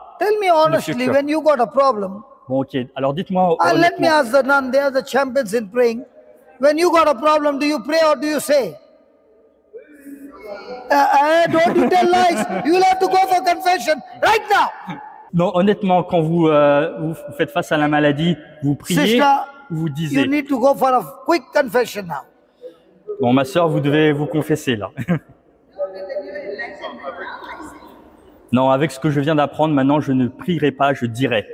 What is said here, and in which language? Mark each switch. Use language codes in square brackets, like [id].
[en] Tell me honestly, when you got a problem. [fr] Bon, ok. Alors dites-moi. [en] Let me ask the nun, they are the champions in praying. When you got a problem, do you pray or do you say? Don't you tell lies. You will have to go for confession right now. [fr] Non, honnêtement, quand vous, vous faites face à la maladie, vous priez, [en] sister, [fr] ou vous disiez. [en] You need to go for a quick confession now. [fr] Bon, ma sœur, vous devez vous confesser là. Non, avec ce que je viens d'apprendre, maintenant, je ne prierai pas, je dirai.